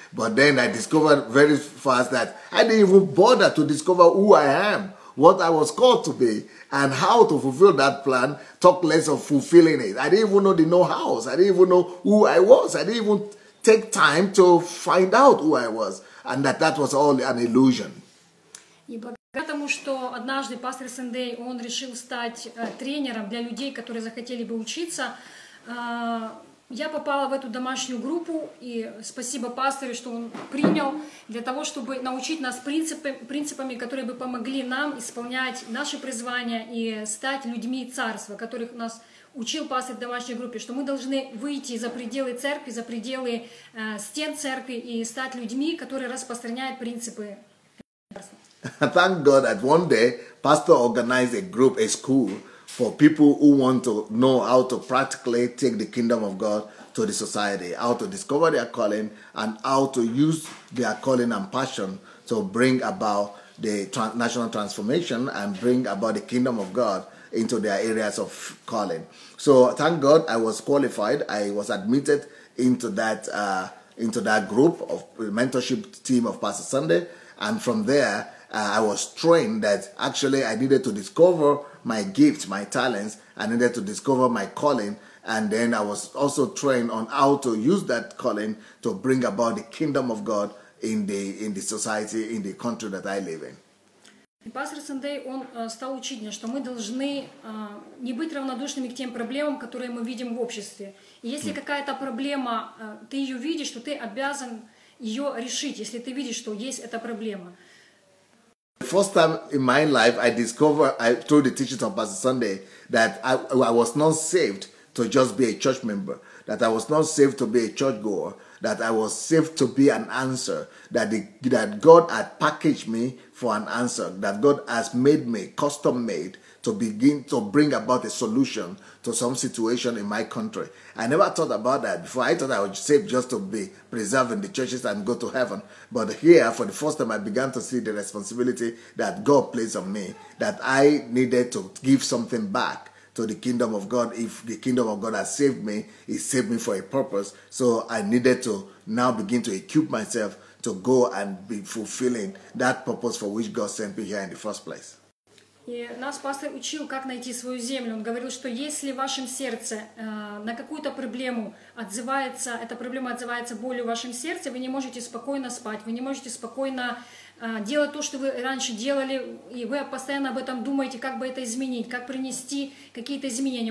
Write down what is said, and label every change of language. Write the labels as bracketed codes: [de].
[en] But then I discovered very fast that I didn't even bother to discover who I am, what I was called to be, and how to fulfill that plan, talk less of fulfilling it. I didn't even know the know-hows. I didn't even know who I was. I didn't even take time to find out who I was, and that was all an illusion. [ru] И благодаря тому, что однажды пастор Сендей, он решил стать тренером для людей, которые захотели бы учиться, я попала в эту домашнюю группу, и спасибо пастору, что он принял для того, чтобы научить нас принципами, которые бы помогли нам исполнять наши призвания и стать людьми царства, которых нас учил пастор в домашней группе, что мы должны выйти за пределы церкви, за пределы стен церкви и стать людьми, которые распространяют принципы царства. [en] Thank God that one day pastor organized a group, a school, for people who want to know how to practically take the kingdom of God to the society, how to discover their calling and how to use their calling and passion to bring about the national transformation and bring about the kingdom of God into their areas of calling. So thank God I was qualified. I was admitted into that group of mentorship team of Pastor Sunday. And from there, I was trained that actually I needed to discover my gifts, my talents, I needed to discover my calling, and then I was also trained on how to use that calling to bring about the kingdom of God in the society, in the country that I live in. [ru] И пастор Сендей, он стал учить меня, что мы должны не быть равнодушными к тем проблемам, которые мы видим в обществе. И если какая-то проблема, ты ее видишь, то ты обязан ее решить, если ты видишь, что есть эта проблема. [en] The first time in my life, I discovered, through the teachings of Pastor Sunday, that I was not saved to just be a church member, that I was not saved to be a church goer, that I was saved to be an answer, that God had packaged me for an answer, that God has made me, custom made, to begin to bring about a solution to some situation in my country. I never thought about that before. I thought I was saved just to be preserved in the churches and go to heaven. But here, for the first time, I began to see the responsibility that God placed on me, that I needed to give something back to the kingdom of God. If the kingdom of God has saved me, it saved me for a purpose. So I needed to now begin to equip myself to go and be fulfilling that purpose for which God sent me here in the first place. [ru] И нас пастор учил, как найти свою землю. Он говорил, что если в вашем сердце на какую-то проблему отзывается, эта проблема отзывается болью в вашем сердце, вы не можете спокойно спать, вы не можете спокойно делать то, что вы раньше делали, и вы постоянно об этом думаете, как бы это изменить, как принести какие-то изменения.